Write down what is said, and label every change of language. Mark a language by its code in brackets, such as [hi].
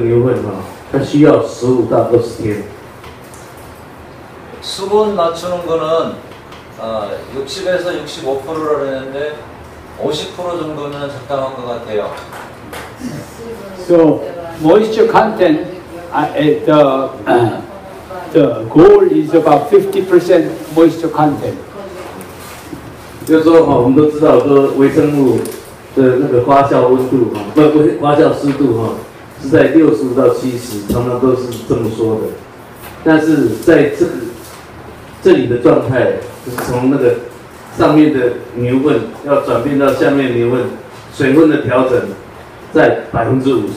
[zh] 从上面的那个牛粪哈，转变到左下角这个牛粪哈，它需要15到20天。 [ko] 수분 맞추는 거는 60에서 65%라 했는데 50% 정도는 적당한 것 같아요. [en] So moisture content, the goal is about 50% moisture content. [zh] 就是说哈，我们都知道说微生物。的那个发酵温度哈，不发酵湿度哈，是在65到70，常常都是这么说的。但是在这里的状态，就是从那个上面的牛粪要转变到下面牛粪，水分的调整在50%。